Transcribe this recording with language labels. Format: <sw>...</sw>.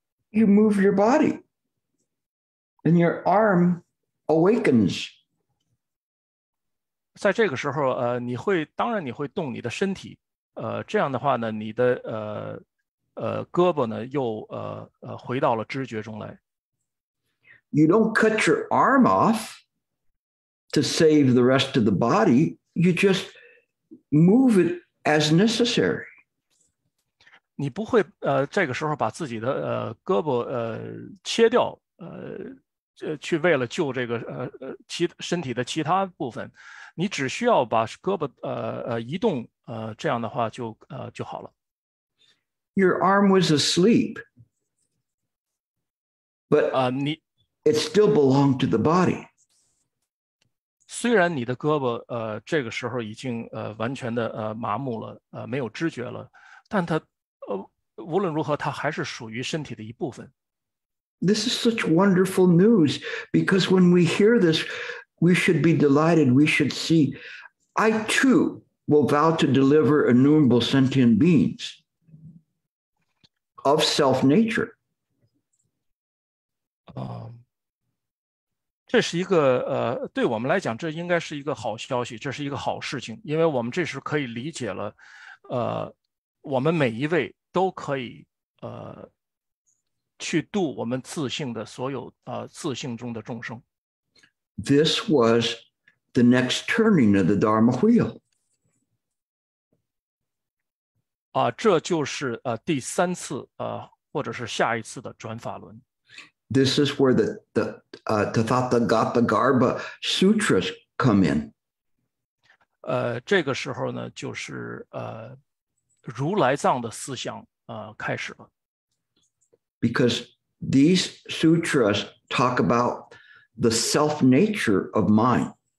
<en>You move your body. And your arm awakens.</en> <zh>在这个时候你会，当然你会动你的身体。这样的话呢，你的胳膊呢又回到了知觉中来。</zh> <en>You don't cut your arm off to save the rest of the body. You just move it as necessary.</en> <zh>你不会这个时候把自己的胳膊切掉去为了救这个身体的其他部分，你只需要把胳膊移动这样的话就好了。</zh> <en>Your arm was asleep, but it still belonged to the body.</en> <zh>虽然你的胳膊这个时候已经完全的麻木了没有知觉了，但它无论如何它还是属于身体的一部分。</zh> <en>This is such wonderful news, because when we hear this, we should be delighted, we should see, I too will vow to deliver innumerable sentient beings of self-nature.</en> <zh>这是一个对我们来讲这应该是一个好消息，这是一个好事情，因为我们这时可以理解了我们每一位都可以去度我们自性的所有自性中的众生。</zh> <en>this was the next turning of the Dharma wheel.</en> <zh>这就是第三次或者是下一次的转法轮。</zh> <en>This is where the Tathagatagarbha sutras come in.</en> <zh>这个时候呢，就是如来藏的思想开始了。</zh> <en>Because these sutras talk about the self nature of mind.</en>